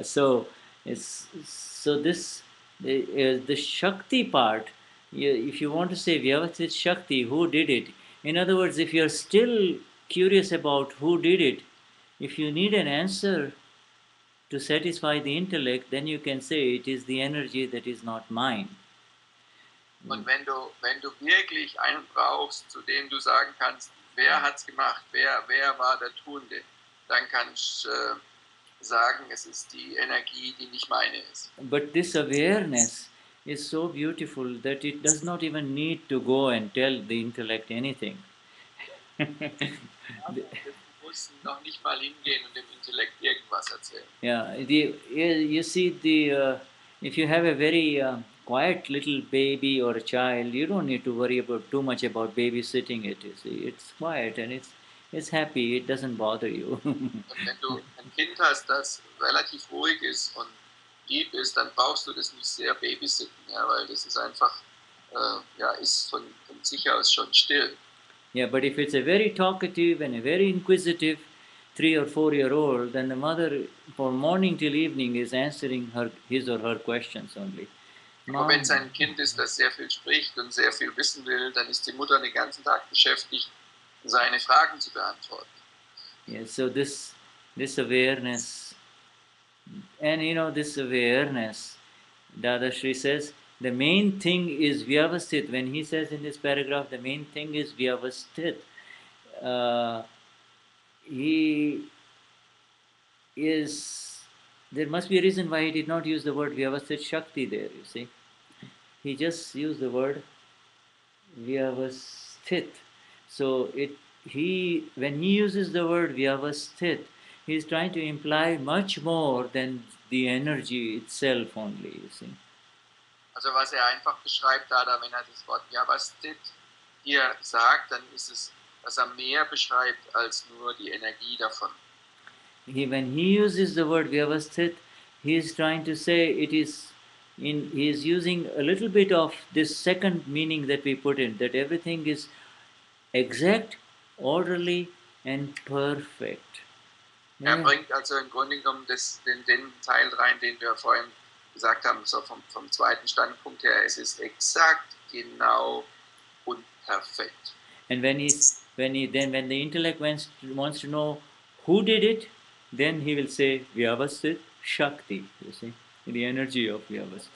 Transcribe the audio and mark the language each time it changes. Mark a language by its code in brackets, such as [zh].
[en] So, the Shakti part, if you want to say Vyavasthit Shakti, who did it? In other words, if you're still curious about who did it, if you need an answer to satisfy the intellect, then you can say it is the energy that is not mine. [de] Und wenn du wirklich einen brauchst, zu dem du sagen kannst, wer hat's gemacht, wer war der Tunde, dann kannst du sagen, es ist die Energie, die nicht meine ist. [en] But this awareness is so beautiful that it does not even need to go and tell the intellect anything. [de] Wir müssen noch nicht mal hingehen und dem Intellekt irgendwas erzählen. [en] If you have a very quiet little baby or a child, you don't need to worry about too much about babysitting it, you see. It's quiet and it's happy, it doesn't bother you. [de] Wenn du ein Kind hast, das relativ ruhig ist und lieb ist, dann brauchst du das nicht sehr babysitten, ja, weil das ist einfach, ist von sich aus schon still. [en] Yeah, but if it's a very talkative and a very inquisitive 3 or 4 year old, then the mother from morning till evening is answering his or her questions only. [de] Aber wenn es ein Kind ist, das sehr viel spricht und sehr viel wissen will, dann ist die Mutter den ganzen Tag beschäftigt, seine Fragen zu beantworten. [en] Yeah, so this awareness, and you know, this awareness, Dadashri says, the main thing is Vyavasthit. When he says in this paragraph, the main thing is Vyavasthit, there must be a reason why he did not use the word Vyavasthit Shakti there, you see. He just used the word Vyavasthit. So when he uses the word Vyavasthit, he is trying to imply much more than the energy itself only, you see. [de] Also was einfach beschreibt da, wenn das Wort Vyavasthit hier sagt, dann ist es, dass mehr beschreibt als nur die Energie davon. [en] When he uses the word Vyavasthit, he is trying to say he is using a little bit of this second meaning that we put in, that everything is exact, orderly and perfect. Yeah. [de] Bringt also im Grunde genommen den Teil rein, den wir vorhin gesagt haben, so vom zweiten Standpunkt her, es ist exakt, genau und perfekt. [en] And when the intellect wants to know who did it, then he will say Vyavasthit Shakti, you see, the energy of Vyavasthit.